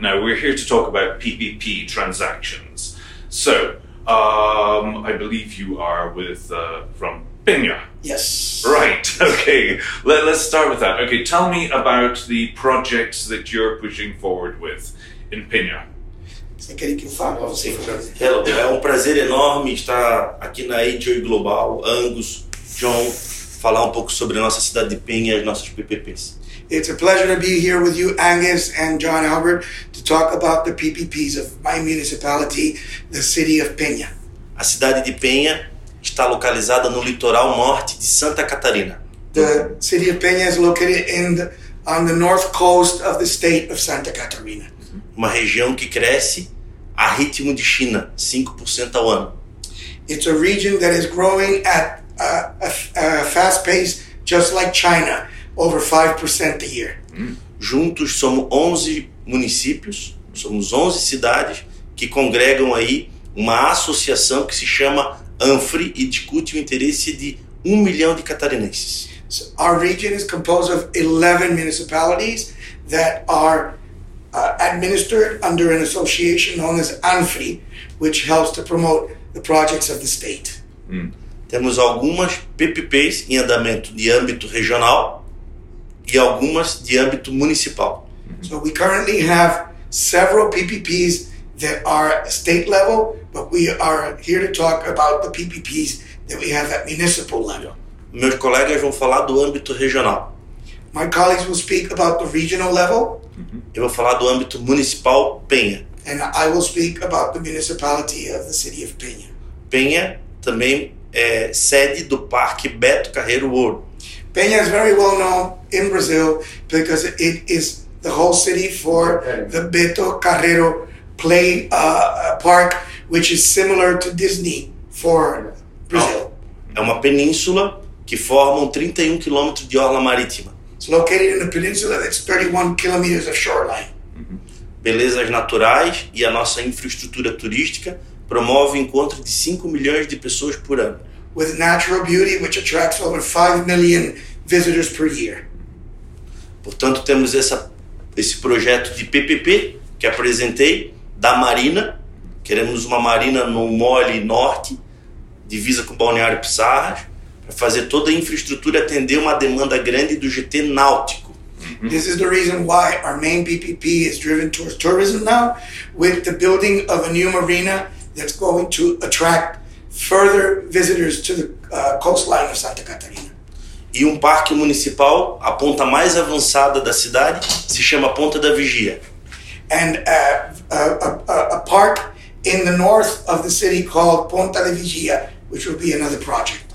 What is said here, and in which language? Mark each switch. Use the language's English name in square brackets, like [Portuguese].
[English] Now, we're here to talk about PPP transactions. So, I believe you are from Peña. Yes. Right, okay. Let's start with that. Okay, tell me about the projects that you're pushing forward with in Peña. [Portuguese] Você quer que eu fale para você? [English] Hello. [Portuguese] É um prazer enorme estar aqui na IJGlobal, Angus, John, falar um pouco sobre a nossa cidade de Peña e as nossas PPPs. [English] It's a pleasure to be here with you, Angus and John Albert, to talk about the PPPs of my municipality, the city of Peña. [Portuguese] A cidade de Peña está localizada no litoral norte de Santa Catarina. [English] The city of Peña is located on the north coast of the state of Santa Catarina. [Portuguese] Uma região que cresce a ritmo de China, 5% ao ano. [English] It's a region that is growing at a fast pace, just like China, over 5% a year. [Portuguese] Juntos somos 11 municípios, somos 11 cidades que congregam aí uma associação que se chama AMFRI e discute o interesse de 1 milhão de catarinenses. [English] So our region is composed of 11 municipalities that are administered under an association known as ANFRI, which helps to promote the projects of the state. [Portuguese] Temos algumas PPPs em andamento de âmbito regional e algumas de âmbito municipal. [English] So we currently have several PPPs that are state level, but we are here to talk about the PPPs that we have at municipal level. [Portuguese] Meus colegas vão falar do âmbito regional. [English] My colleagues will speak about the regional level. [Portuguese] Eu vou falar do âmbito municipal Peña. [English] And I will speak about the municipality of the city of Peña. [Portuguese] Peña também é sede do Parque Beto Carreiro World. [English] Peña is very well known in Brazil because it is the whole city for the Beto Carreiro Play Park, which is similar to Disney for Brazil. [Portuguese] É uma península que forma 31 quilômetros de orla marítima. [English] It's located in a peninsula that's 31 kilometers of shoreline. [Portuguese] Belezas naturais e a nossa infraestrutura turística promove o encontro de 5 milhões de pessoas por ano. [English] With natural beauty, which attracts over 5 million visitors per year. [Portuguese] Portanto, temos esse projeto de PPP que apresentei da Marina. Queremos uma Marina no Mole Norte, divisa com Balneário Pissarras, fazer toda a infraestrutura atender uma demanda grande do GT náutico. [English] This is the reason why our main PPP is driven towards tourism now, with the building of a new marina that's going to attract further visitors to the coastline of Santa Catarina. [Portuguese] E parque municipal, a ponta mais avançada da cidade, se chama Ponta da Vigia. [English] And a park in the north of the city called Ponta da Vigia, which will be another project.